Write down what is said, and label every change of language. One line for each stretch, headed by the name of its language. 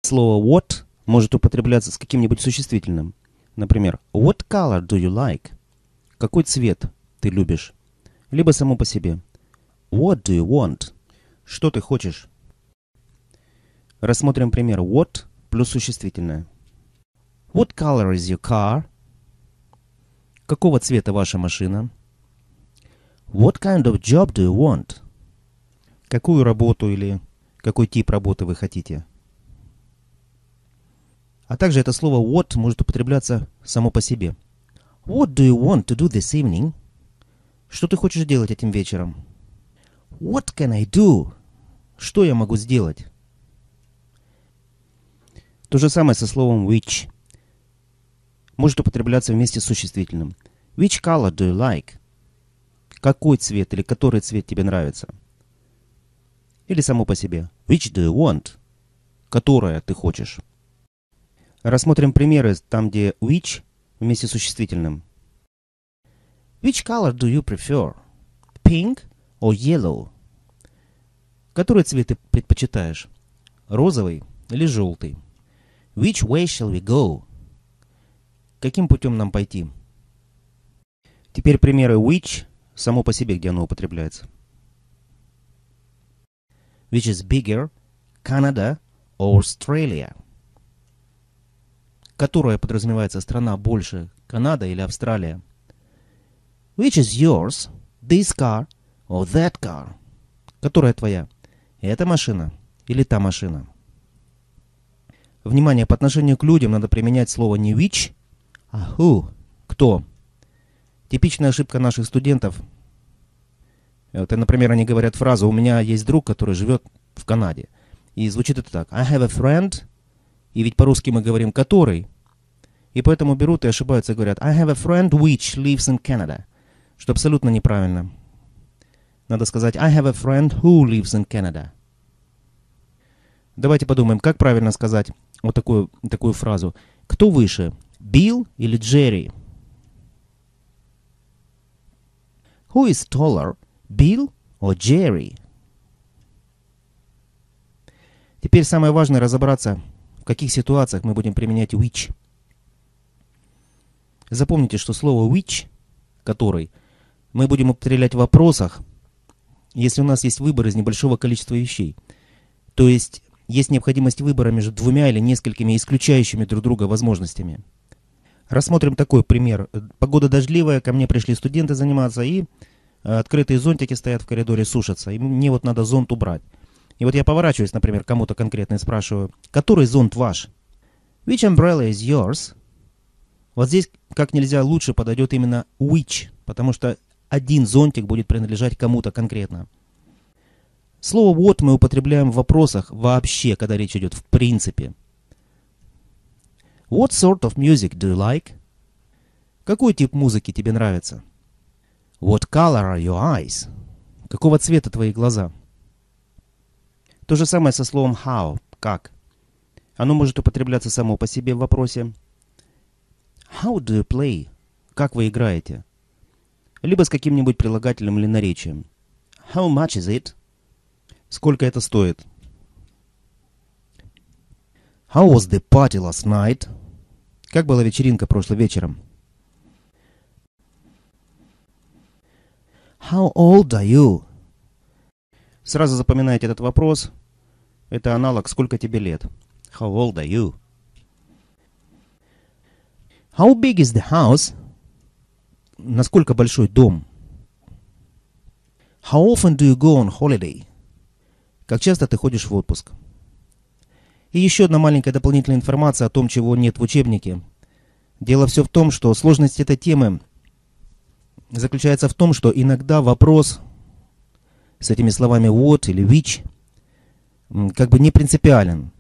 Russian: слово what может употребляться с каким-нибудь существительным.
English: Например, what color do you like?
Russian: Какой цвет ты любишь? Либо само по себе.
English: What do you want?
Russian: Что ты хочешь? Рассмотрим пример what плюс существительное.
English: What color is your car?
Russian: Какого цвета ваша машина?
English: What kind of job do you want?
Russian: Какую работу или какой тип работы вы хотите? А также это слово what может употребляться само по себе.
English: What do you want to do this evening?
Russian: Что ты хочешь делать этим вечером?
English: What can I do?
Russian: Что я могу сделать? То же самое со словом which. Может употребляться вместе с существительным.
English: Which color do you like?
Russian: Какой цвет или который цвет тебе нравится? Или само по себе.
English: Which do you want?
Russian: Которое ты хочешь? Рассмотрим примеры там, где which вместе с существительным.
English: Which color do you prefer? Pink or yellow?
Russian: Который цвет ты предпочитаешь? Розовый или желтый?
English: Which way shall we go?
Russian: Каким путем нам пойти? Теперь примеры which само по себе, где оно употребляется.
English: Which is bigger, Canada or Australia?
Russian: Которая подразумевается страна больше, Канада или Австралия?
English: Which is yours, this car or that car?
Russian: Которая твоя, эта машина или та машина? Внимание, по отношению к людям надо применять слово не which, а who, кто. Типичная ошибка наших студентов. Вот, например, они говорят фразу «У меня есть друг, который живет в Канаде». И звучит это так
English: «I have a friend»,
Russian: и ведь по-русски мы говорим «который». И поэтому берут и ошибаются, говорят
English: «I have a friend which lives in Canada»,
Russian: что абсолютно неправильно. Надо сказать
English: «I have a friend who lives in Canada».
Russian: Давайте подумаем, как правильно сказать вот такую фразу. Кто выше, Билл или Джерри?
English: Who is taller, Bill or Jerry?
Russian: Теперь самое важное разобраться, в каких ситуациях мы будем применять which. Запомните, что слово which, который, мы будем употреблять в вопросах, если у нас есть выбор из небольшого количества вещей. То есть, есть необходимость выбора между двумя или несколькими исключающими друг друга возможностями. Рассмотрим такой пример. Погода дождливая, ко мне пришли студенты заниматься, и открытые зонтики стоят в коридоре, сушатся. И мне вот надо зонт убрать. И вот я поворачиваюсь, например, кому-то конкретно и спрашиваю, который зонт ваш?
English: Which umbrella is yours?
Russian: Вот здесь как нельзя лучше подойдет именно which, потому что один зонтик будет принадлежать кому-то конкретно. Слово what мы употребляем в вопросах вообще, когда речь идет в принципе.
English: What sort of music do you like?
Russian: Какой тип музыки тебе нравится?
English: What color are your eyes?
Russian: Какого цвета твои глаза? То же самое со словом how, как. Оно может употребляться само по себе в вопросе.
English: How do you play?
Russian: Как вы играете? Либо с каким-нибудь прилагательным или наречием.
English: How much is it?
Russian: Сколько это стоит?
English: How was the party last night?
Russian: Как была вечеринка прошлым вечером?
English: How old are you?
Russian: Сразу запоминайте этот вопрос. Это аналог «Сколько тебе лет?»
English: How old are you? How big is the house?
Russian: Насколько большой дом?
English: How often do you go on holiday?
Russian: Как часто ты ходишь в отпуск? И еще одна маленькая дополнительная информация о том, чего нет в учебнике. Дело все в том, что сложность этой темы заключается в том, что иногда вопрос с этими словами what или which как бы не принципиален.